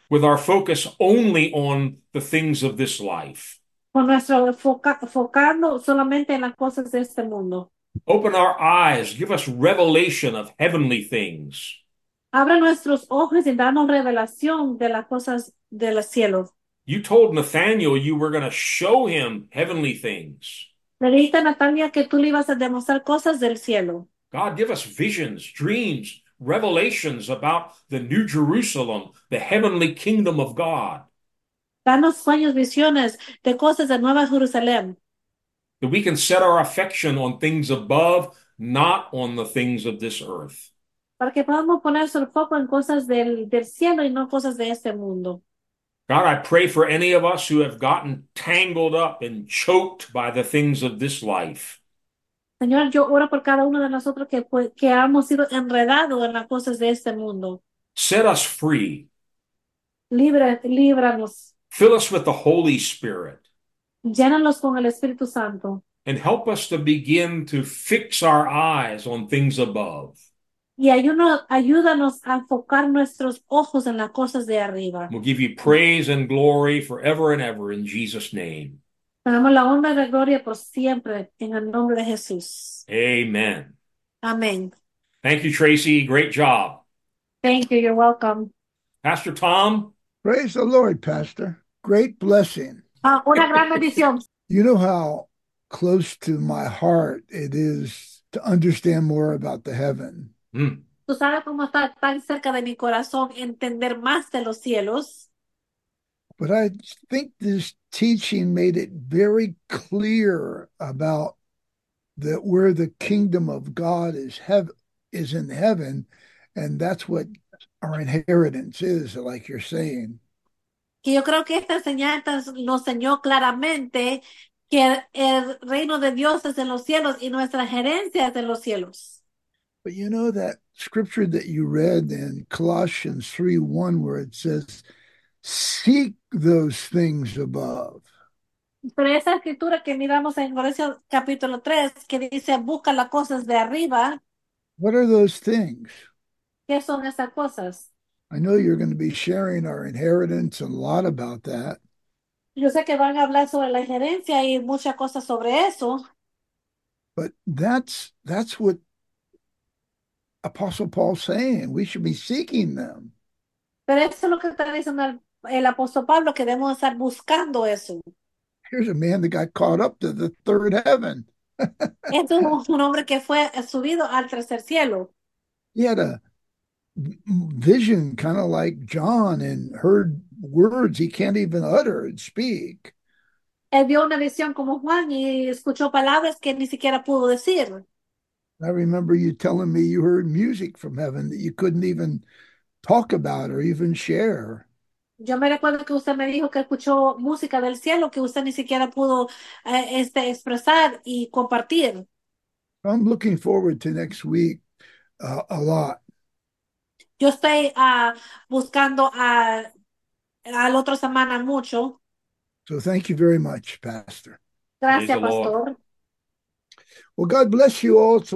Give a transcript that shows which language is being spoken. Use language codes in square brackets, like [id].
[en] with our focus only on the things of this life. [es] Con nuestro enfocando solamente en las cosas de este mundo. [en] Open our eyes, give us revelation of heavenly things. [es] Abre nuestros ojos y danos revelación de las cosas del cielo. [en] You told Nathaniel you were going to show him heavenly things. [es] Le dijiste a Natalia que tú le ibas a demostrar cosas del cielo. [en] God, give us visions, dreams, revelations about the New Jerusalem, the heavenly kingdom of God. [es] Danos sueños, visiones de cosas de Nueva Jerusalén. [en] That we can set our affection on things above, not on the things of this earth. [es] Para que podamos poner su foco en cosas del cielo y no cosas de este mundo. [en] God, I pray for any of us who have gotten tangled up and choked by the things of this life. [es] Señor, yo oro por cada uno de nosotros que hemos sido enredados en las cosas de este mundo. [en] Set us free. [es] Líbranos. [en] Fill us with the Holy Spirit. [es] Llénanos con el Espíritu Santo. [en] And help us to begin to fix our eyes on things above. [es] Y ayúdanos a enfocar nuestros ojos en las cosas de arriba. [en] We'll give you praise and glory forever and ever in Jesus' name. [es] Damos la honra y la gloria por siempre en el nombre de Jesús. [en] Amen. [es] Amén. [en] Thank you, Tracy. Great job. Thank you. You're welcome. Pastor Tom. Praise the Lord, Pastor. Great blessing. [es] Una gran bendición. [en] You know how close to my heart it is to understand more about the heaven. [es] ¿Tú sabes cómo está tan cerca de mi corazón entender más de los cielos? [en] But I think this teaching made it very clear about that where the kingdom of God is in heaven, and that's what our inheritance is, like you're saying. [es] Y yo creo que esta enseñanza nos enseñó claramente que el reino de Dios es en los cielos y nuestra gerencia es en los cielos. [en] But you know that scripture that you read in Colossians 3:1, where it says, seek those things above. [es] Pero esa escritura que miramos en Colosenses capítulo 3, que dice, busca las cosas de arriba. [en] What are those things? [es] ¿Qué son esas cosas? [en] I know you're going to be sharing our inheritance a lot about that. [es] Yo sé que van a hablar sobre la gerencia y muchas cosas sobre eso. [en] But that's what Apostle Paul's saying. We should be seeking them. [es] Pero eso es lo que está diciendo el apóstol Pablo, que debemos estar buscando eso. [en] Here's a man that got caught up to the third heaven. [es] Esto es un hombre que fue subido al tercer cielo. [en] He had a vision kind of like John and heard words he can't even utter and speak. [es] Él vio una visión como Juan y escuchó palabras que ni siquiera pudo decir. [en] I remember you telling me you heard music from heaven that you couldn't even talk about or even share. [es] Yo me recuerdo que usted me dijo que escuchó música del cielo que usted ni siquiera pudo expresar y compartir. [en] I'm looking forward to next week a lot. [es] Yo estoy buscando al otro semana mucho. [en] So thank you very much, Pastor. Praise [es] Gracias, [en] the Lord. [es] pastor. [en] Well, God bless you all. It's a